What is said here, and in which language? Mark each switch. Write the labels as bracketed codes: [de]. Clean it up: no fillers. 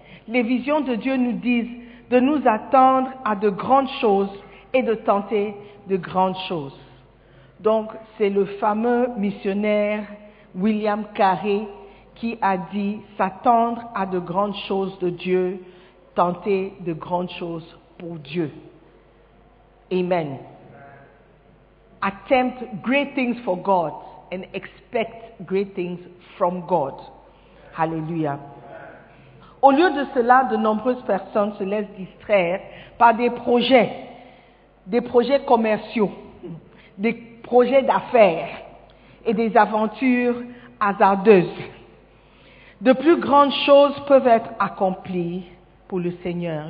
[fr] Les visions de Dieu nous disent de nous attendre à de grandes choses et de tenter de grandes choses. Donc, c'est le fameux missionnaire William Carey qui a dit « S'attendre à de grandes choses de Dieu, tenter de grandes choses pour Dieu. » Amen. [en] Attempt great things for God and expect great things from God. Hallelujah. [fr] Au lieu de cela, de nombreuses personnes se laissent distraire par des projets commerciaux, des projets d'affaires et des aventures hasardeuses. De plus grandes choses peuvent être accomplies pour le Seigneur.